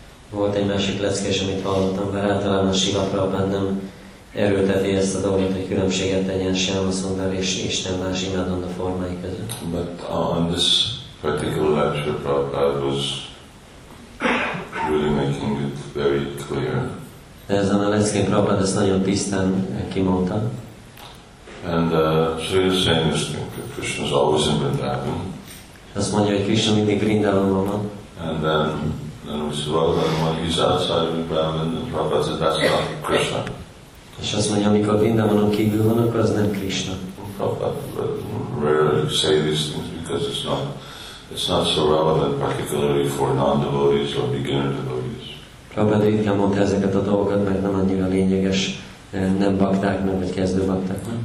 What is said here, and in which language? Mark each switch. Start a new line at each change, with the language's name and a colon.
Hungarian: Volt egy másik leckés, amit hallottam, mert általában Srila Prabhupada nem erőlteti ezt a dolgot, hogy különbséget tegyen Shamsundar és Isten más imádandó formái között.
English: But on this particular lecture, Prabhupada was really making it very clear.
Hungarian: Ezen a leckén Prabhupada ezt nagyon tisztán kimondta.
English: And so he was saying this thing, that Krishna is always in Vrindavan.
Hungarian: Azt mondja, hogy Krishna mindig Vrindavanban van.
English: And then we said, well, then when he's outside Vrindavan, then Prabhupada said, that's not Krishna.
Hungarian: És azt mondja, amikor Vrindavanon kívül van, akkor az nem Krishna.
English: Prabhupada rarely say these things because it's not so relevant, particularly for non-devotees or beginner devotees.
Hungarian: Prabhupada ritkán mondta ezeket a dolgokat, mert nem annyira lényeges, nem baktáknak, vagy kezdő baktáknak.